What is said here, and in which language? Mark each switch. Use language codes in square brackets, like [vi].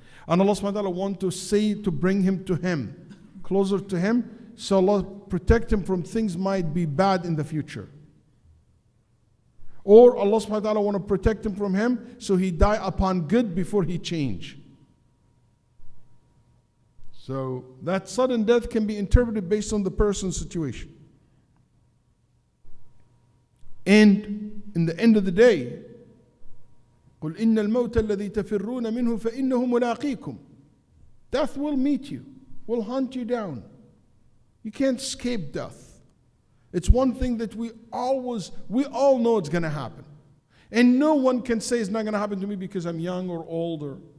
[en] And Allah subhanahu wa ta'ala want to say to bring him to him, closer to him, so Allah protect him from things might be bad in the future. Or Allah subhanahu wa ta'ala want to protect him from him so he die upon good before he change. So that sudden death can be interpreted based on the person's situation. And in the end of the day, [ar] قُلْ إِنَّ الْمَوْتَ الَّذِي تَفِرُّونَ مِنْهُ فَإِنَّهُ مُلَاقِيكُمْ. [en] Death will meet you, will hunt you down. You can't escape death. It's one thing that we all know it's going to happen. And no one can say it's not going to happen to me because I'm young or older.